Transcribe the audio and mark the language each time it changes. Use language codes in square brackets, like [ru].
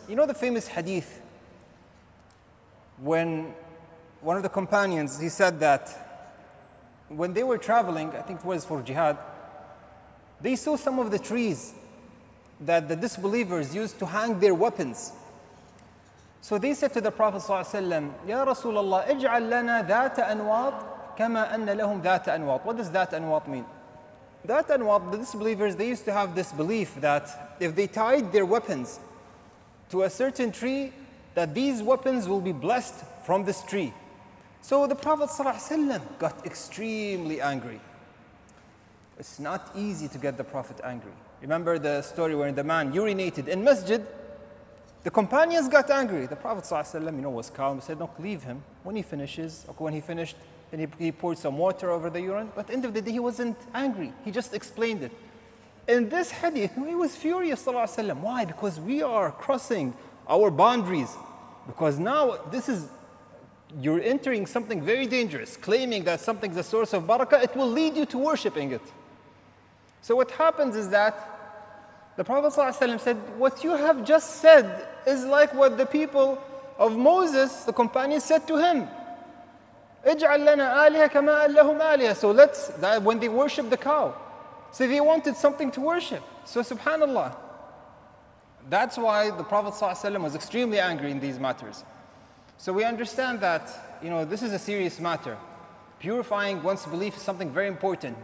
[en] You know the famous hadith when one of the companions, he said that when they were traveling, I think it was for jihad, they saw some of the trees that the disbelievers used to hang their weapons. So they said to the Prophet ﷺ, Ya Rasulullah, [ar] اجعل لنا ذات أنواط [en] كما أن لهم ذات أنواط. What does ذات أنواط mean? ذات أنواط, the disbelievers, they used to have this belief that if they tied their weapons to a certain tree, that these weapons will be blessed from this tree. So the Prophet ﷺ got extremely angry. It's not easy to get the Prophet angry. Remember the story where the man urinated in Masjid? The companions got angry. The Prophet ﷺ, you know, was calm. He said, no, leave him. When he finishes, okay, when he finished, then he poured some water over the urine. But at the end of the day, he wasn't angry. He just explained it. In this hadith, he was furious. ﷺ. Why? Because we are crossing our boundaries. Because now this is, you're entering something very dangerous, claiming that something's a source of barakah. It will lead you to worshipping it. So what happens is that the Prophet ﷺ said, what you have just said is like what the people of Moses, the companions, said to him. [ar] اجعل لنا آلهة كما لهم آلهة. [en] So let's, that when they worship the cow. So they wanted something to worship. So subhanAllah. That's why the Prophet ﷺ was extremely angry in these matters. So we understand that, you know, this is a serious matter. Purifying one's belief is something very important.